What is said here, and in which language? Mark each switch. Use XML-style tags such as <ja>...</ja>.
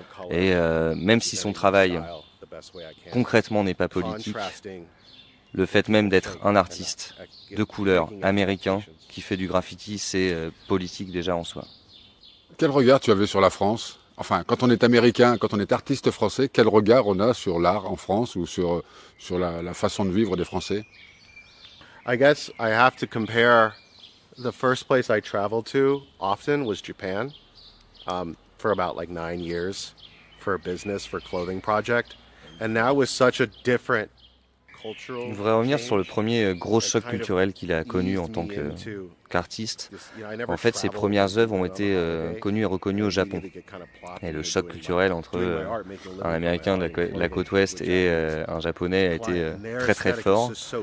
<fr>Et même si son travail concrètement n'est pas politique, le fait même d'être un artiste de couleur américain qui fait du graffiti, c'est politique déjà en soi. Quel regard tu avais sur la France? Enfin, quand on est américain, quand on est artiste français, quel regard on a sur l'art en France ou sur la façon de vivre des Français?</fr> <en>I guess I have to compare. The first place I traveled to often was Japan for about like 9 years for a business, for clothing project. And that was such a different</en> <fr>Je voudrais revenir sur le premier gros choc culturel qu'il a connu en tant qu'artiste. En fait, ses premières œuvres ont été connues et reconnues au Japon. Et le choc culturel entre un Américain de la côte ouest et un Japonais a été très très fort.</fr>